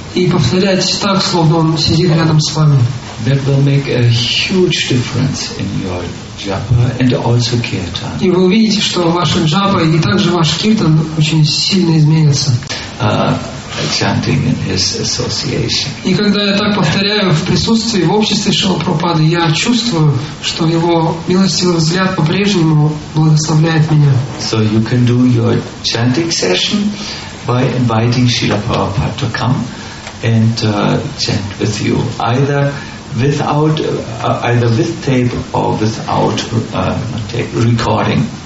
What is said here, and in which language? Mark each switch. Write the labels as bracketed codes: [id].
[ru] И повторять так, словно он сидит рядом с вами. [en] That will make a huge difference in your japa and also kirtan. [ru] И вы увидите, что ваша джапа и также ваш киртан очень сильно изменятся. [en] Chanting in his association. [ru] И когда я так повторяю в присутствии, в обществе Шрилы Прабхупады, я чувствую, что его милостивый взгляд по-прежнему благословляет меня. [en] So you can do your chanting session by inviting Srila Prabhupada to come and chant with you, either without, either with tape or without tape recording.